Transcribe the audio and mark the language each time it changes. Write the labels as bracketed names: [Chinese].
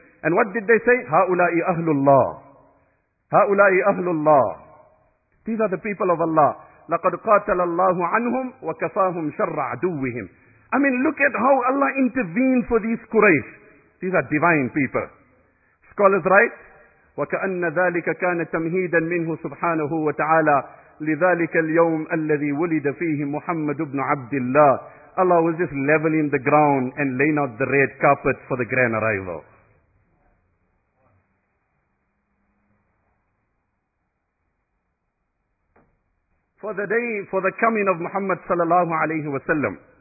[English] And what did they say? [Arabic] هَؤُلَاءِ أَهْلُ اللَّهِ. هَؤُلَاءِ أَهْلُ اللَّهِ. [English] These are the people of Allah. [Arabic] لَقَدْ قَاتَلَ اللَّهُ عَنْهُمْ وَكَفَاهُمْ شَرَّ عَدُوِّهِمْ. [English] I mean, look at how Allah intervened for these Quraysh. These are divine people. Scholars write, [Arabic] وَكَأَنَّ ذَلِكَ كَانَ تَمْهِيدًا مِّنْهُ سُبْحَانَهُ وَتَعَالَى لِذَلِكَ الْيَوْمَ الَّذِي وُلِدَ فِيهِ مُحَمَّدُ بْنُ عَبْدِ اللَّهِ. [English] Allah was just leveling the ground and laying out the red carpet for the grand arrival. For the day, for the coming of Muhammad sallallahu alayhi wa sallam.